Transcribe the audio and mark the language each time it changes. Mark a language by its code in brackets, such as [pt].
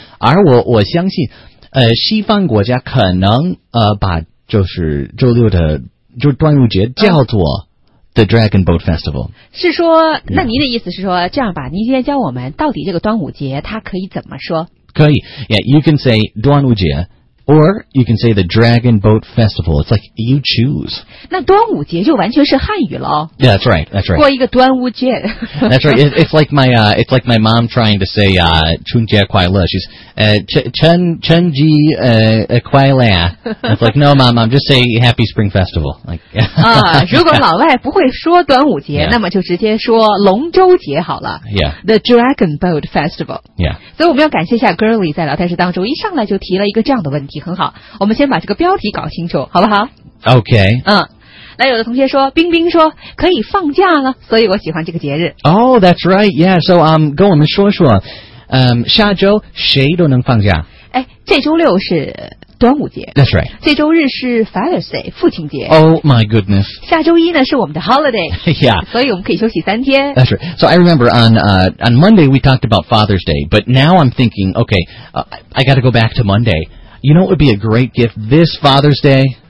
[zh] 而我相信西方国家可能把就是周六的就端午节叫做、嗯The Dragon Boat Festival. 是说那您的意思是说这样吧您今天教我们到底这个端午节它可以怎么说 [en] 可以 Yeah, you can say 端午节 Or you can say the Dragon Boat Festival. It's like you choose. [zh] 那端午节就完全是汉语了 [en] Yeah, that's right, that's right. [zh] 过一个端午节 [en] That's right, it's like my mom trying to say [zh] 春节快乐 [en] She's 春节快乐 It's like, no, mom, just say Happy Spring Festival. Like, [zh] 如果老外不会说端午节、 [en] yeah. [zh] 那么就直接说龙舟节好了 [en] Yeah. The Dragon Boat Festival. Yeah. [zh] 所以我们要感谢一下 Girly 在聊天室当中一上来就提了一个这样的问题很好我们先把这个标题搞清楚好不好 [en] Okay. [zh] 来有的同学说冰冰说可以放假了所以我喜欢这个节日 [en] Oh, that's right. Yeah, so, [zh] 跟我们说说下周谁都能放假哎，这周六是端午节 [en] That's right [zh] 这周日是 Father's Day 父亲节 [en] Oh my goodness [zh] 下周一呢是我们的 holiday [en] Yeah [zh] 所以我们可以休息三天 [en] That's right So I remember on Monday we talked about Father's Day But now I'm thinking Okay, I gotta go back to Monday You know what would be a great gift this Father's Day?